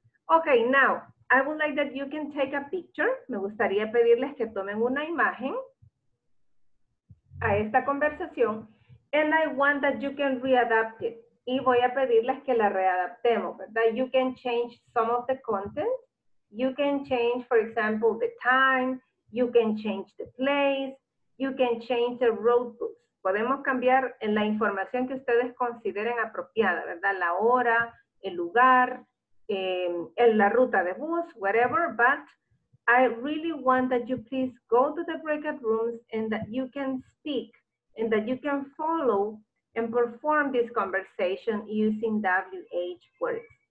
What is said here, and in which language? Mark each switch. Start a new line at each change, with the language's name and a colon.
English: Okay, now, I would like that you can take a picture.
Spanish: Me gustaría pedirles que tomen una imagen a esta conversación
English: And I want that you can readapt it.
Spanish: Y voy a pedirles que la readaptemos,
English: that you can change some of the content. You can change, for example, the time. You can change the place. You can change the roadbooks.
Spanish: Podemos cambiar en la información que ustedes consideren apropiada, ¿verdad? La hora, el lugar, en la ruta de bus, whatever.
English: But I really want that you please go to the breakout rooms and that you can speak and that you can follow and perform this conversation using WH words.